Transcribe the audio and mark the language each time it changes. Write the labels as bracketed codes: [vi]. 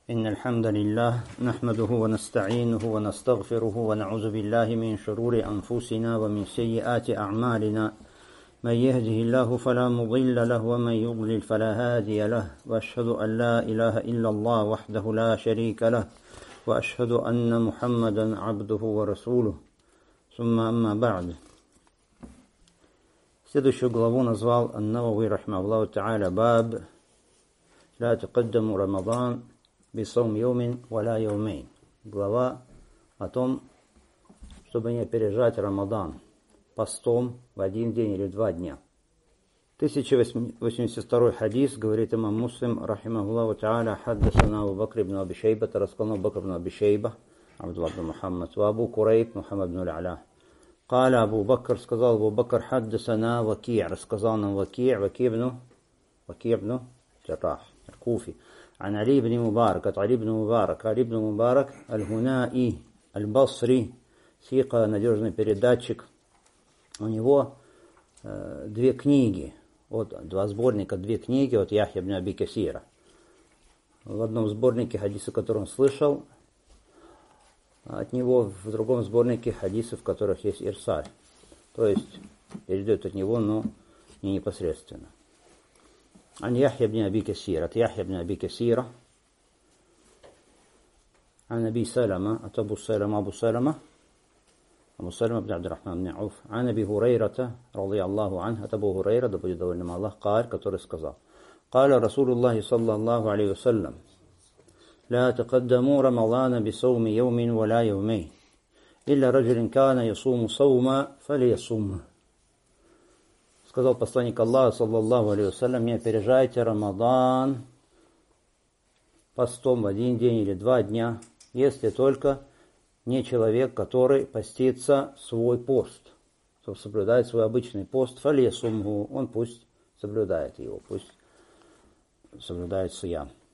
[ar] إن الحمد لله نحمده ونستعينه ونستغفره ونعوذ بالله من شرور أنفسنا ومن سيئات أعمالنا من يهده الله فلا مضل له ومن يضلل فلا هادي له وأشهد أن لا إله إلا الله وحده لا شريك له وأشهد أن محمدا عبده ورسوله ثم أما بعد [ru] Следующую главу назвал Ан-Навави рахмаху [ar] تعالى باب لا تقدم رمضان بصوم يوم ولا يومين. [ru] Глава о том, чтобы не опережать Рамадан постом в один день или два дня. [ar] 1082 [ru] хадис говорит имам Муслим [ar] رحمه الله تعالى حدثنا أبو بكر بن أبي شيبة رسول الله بكر بن أبي شيبة عبد الله بن محمد وأبو كريب محمد بن العلاء قال أبو بكر [ru] сказал [ar] أبو بكر حدثنا وكيع [ru] рассказал нам [ar] وكيع بن جراح الكوفي عن علي بن مبارك علي بن مبارك الهنائي البصري ثقة [ru] надежный передатчик. У него две книги, вот два сборника, две книги от Яхья ибн Аби Касира. В одном сборнике хадисы, которые он слышал от него, в другом сборнике хадисы, в которых есть ирсаль. То есть передает от него, но не непосредственно. [ar] عن يحيى بن أبي كثير عن أبي سلمة أبو سلمة بن عبد الرحمن بن عوف عن أبي هريرة رضي الله عنه أبو هريرة قال رسول الله صلى الله عليه وسلم لا تقدموا رمضان بصوم يوم ولا يومين إلا رجل كان يصوم صوما فليصوم. [ru] Сказал посланник Аллаха, саллаллаху алейхи ва саллям, не опережайте Рамадан постом в один день или два дня, если только не человек, который постится свой пост, чтобы соблюдать свой обычный пост, фалия сумгу, он пусть соблюдает его, пусть соблюдает сиям.